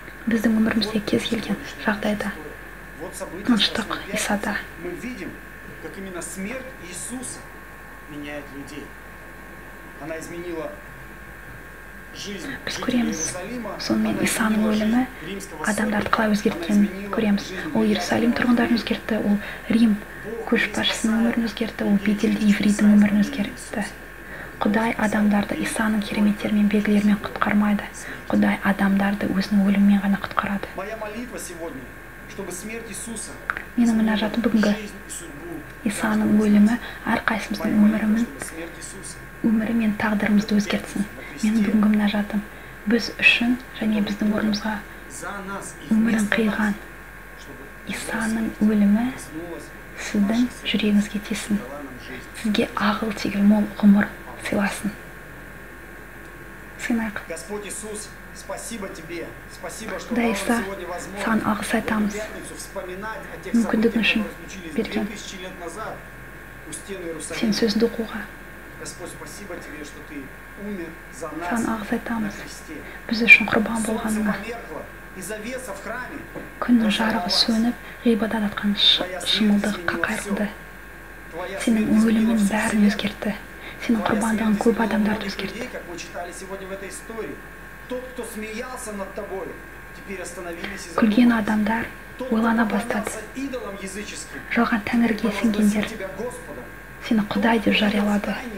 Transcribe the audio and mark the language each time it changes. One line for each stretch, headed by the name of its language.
Kazakh: Біздің өмірімізде кез келген жағдайда тыныштық Исада.
Russian: Как именно смерть Иисуса меняет людей. Она изменила жизнь Иерусалима.
Kazakh: Сонымен Исаның өлімі адамдарды қалай өзгерткенін көреміз. Ол Иерусалим тұрғындарын өзгертті, ол Рим көшбасшысының өмірін өзгертті, ол беделді еврейдің өмірін өзгертті. Құдай адамдарды Исаның кереметтерімен, белгілерімен құтқармайды. Құдай адамдарды өзінің өлімімен ғана құтқарады. Менің мінәжатым бүгінгі Исаның өлімі әрқайсымыздың өмірі мен тағдырымызды өзгертсін. Менің бүгінгі мінәжатым біз үшін және біздің орнымызға өмірін қиған Исаның өлімі сіздің жүрегіңізге тисін, сізге ағыл тегіл мол ғұмыр сыйласын. Сыйнайық.
Russian: Спасибо тебе. Спасибо, что дал сегодня возможность вспоминать о тех событиях, которые случились 2000 лет назад у стен Иерусалима. Господь, спасибо тебе, что ты умер за нас на Христе. Солнце померкло, и завеса в храме разорвалась. Твоя смерть изменила все. Твоя смерть изменила все. Твоя смерть изменила людей, как мы читали сегодня в этой истории. Тот, кто смеялся над тобой, теперь остановились из-за
Kazakh: Күлген адамдар ойлана бастады.
Russian: Идолом языческим.
Kazakh: Жалған тәңірге сенгендер. Сені құдай деп жариялады.